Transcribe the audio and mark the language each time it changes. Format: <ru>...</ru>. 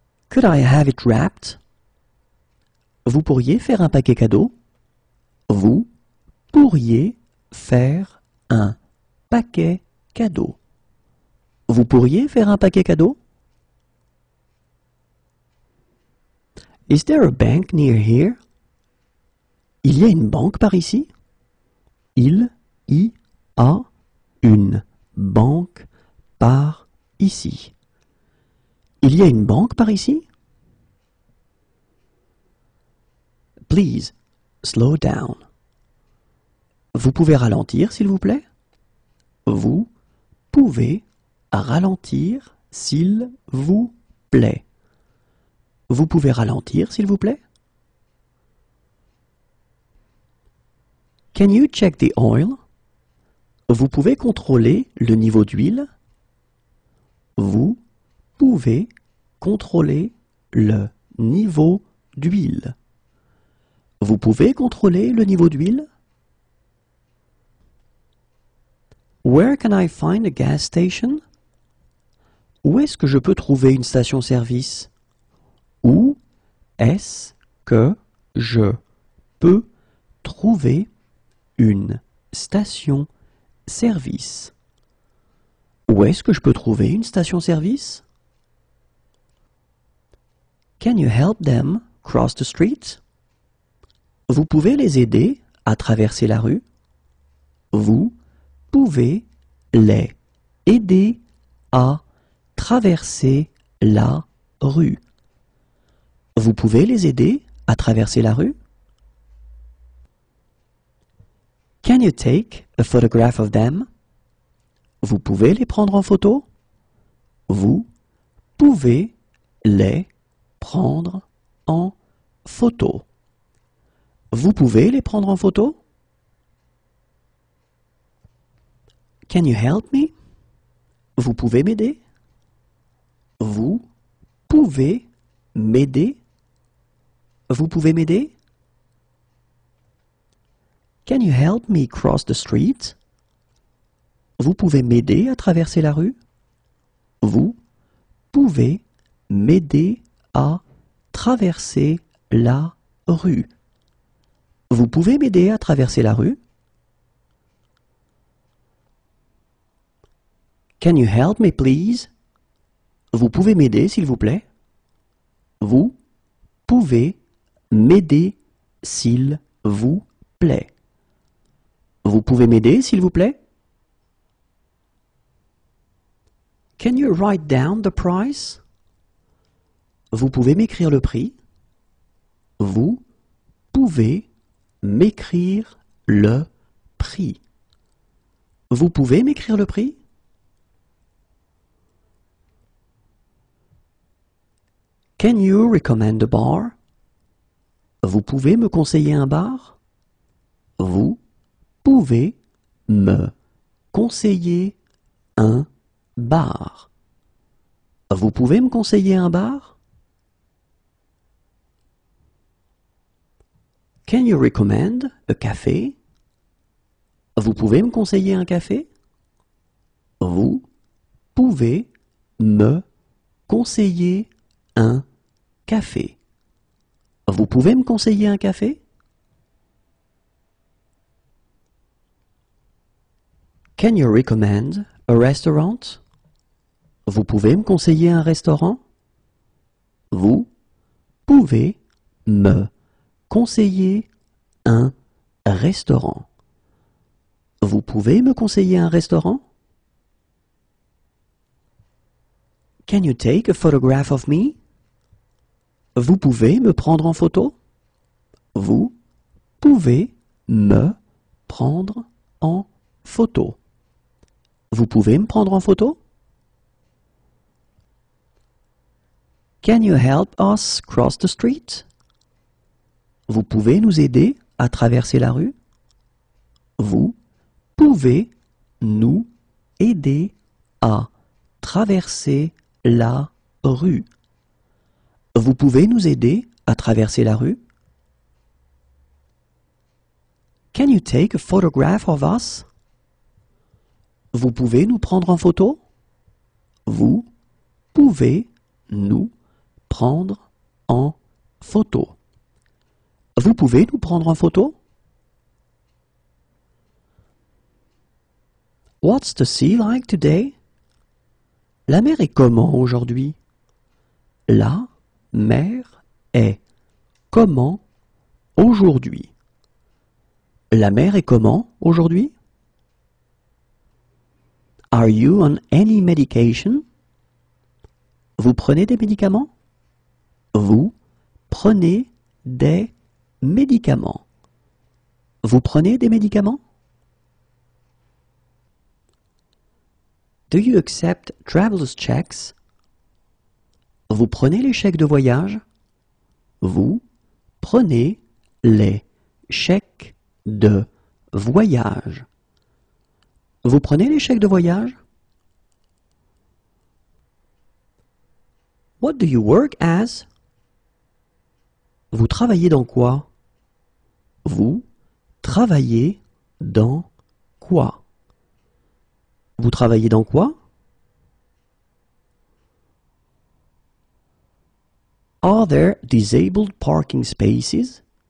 <en>Could I have it wrapped?</en> <fr>Vous pourriez faire un paquet cadeau? Vous pourriez faire un paquet cadeau? Vous pourriez faire un paquet cadeau?</fr> <en>Is there a bank near here?</en> <fr>Il y a une banque par ici? Il y a une banque par ici? Il y a une banque par ici?</fr> <en>Please, slow down.</en> <fr>Vous pouvez ralentir, s'il vous plaît? Vous pouvez ralentir, s'il vous plaît. Vous pouvez ralentir, s'il vous plaît?</fr> <en>Can you check the oil?</en> <fr>Vous pouvez contrôler le niveau d'huile? Vous pouvez contrôler le niveau d'huile? Vous pouvez contrôler le niveau d'huile?</fr> <en>Where can I find a gas station?</en> <fr>Où est-ce que je peux trouver une station-service? Où est-ce que je peux trouver une station-service? Où est-ce que je peux trouver une station-service?</fr> <en>Can you help them cross the street?</en> <fr>Vous pouvez les aider à traverser la rue? Vous pouvez les aider à traverser la rue. Vous pouvez les aider à traverser la rue?</fr> <en>Can you take a photograph of them?</en> <fr>Vous pouvez les prendre en photo? Vous pouvez les prendre en photo. Vous pouvez les prendre en photo?</fr> <en>Can you help me?</en> <fr>Vous pouvez m'aider? Vous pouvez m'aider? Vous pouvez m'aider?</fr> <en>Can you help me cross the street?</en> <fr>Vous pouvez m'aider à traverser la rue? Vous pouvez m'aider à traverser la rue. Vous pouvez m'aider à traverser la rue?</fr> <en>Can you help me, please?</en> <fr>Vous pouvez m'aider, s'il vous plaît? Vous pouvez m'aider, s'il vous plaît. Vous pouvez m'aider, s'il vous plaît?</fr> <en>Can you write down the price?</en> <fr>Vous pouvez m'écrire le prix? Vous pouvez m'écrire le prix. Vous pouvez m'écrire le prix?</fr> <en>Can you recommend a bar?</en> <fr>Vous pouvez me conseiller un bar? Vous pouvez me conseiller un bar? Vous pouvez me conseiller un bar?</fr> <en>Can you recommend a café?</en> <fr>Vous pouvez me conseiller un café? Vous pouvez me conseiller un café? Vous pouvez me conseiller un café?</fr> <en>Can you recommend a restaurant?</en> <fr>Vous pouvez me conseiller un restaurant? Vous pouvez me conseiller un restaurant. Vous pouvez me conseiller un restaurant?</fr> <en>Can you take a photograph of me?</en> <fr>Vous pouvez me prendre en photo? Vous pouvez me prendre en photo. Vous pouvez me prendre en photo?</fr> <en>Can you help us cross the street?</en> <fr>Vous pouvez nous aider à traverser la rue? Vous pouvez nous aider à traverser la rue? Vous pouvez nous aider à traverser la rue?</fr> <en>Can you take a photograph of us?</en> <fr>Vous pouvez nous prendre en photo? Vous pouvez nous prendre en photo. Vous pouvez nous prendre en photo?</fr> <en>What's the sea like today?</en> <fr>La mer est comment aujourd'hui? La mer est comment aujourd'hui? La mer est comment aujourd'hui?</fr> <en>Are you on any medication?</en> <fr>Vous prenez des médicaments? Vous prenez des médicaments. Vous prenez des médicaments?</fr> <en>Do you accept travel's checks?</en> <fr>Vous prenez les chèques de voyage? Vous prenez les chèques de voyage. Vous prenez les chèques de voyage?</fr> <en>What do you work as?</en> <fr>Vous travaillez dans quoi? Vous travaillez dans quoi? Vous travaillez dans quoi?</fr> <en>Are there disabled parking spaces?</en>